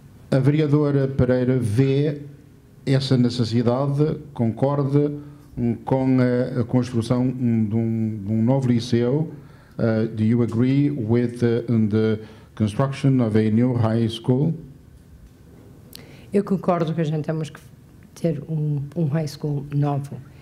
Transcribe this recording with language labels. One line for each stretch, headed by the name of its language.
Portuguese: A vereadora Pereira vê essa necessidade, concorda com a construção de um novo liceu.
English: Do you agree with the construction of a new high school?
Portuguese: Eu concordo que a gente temos que ter um
English: high school
Portuguese: novo.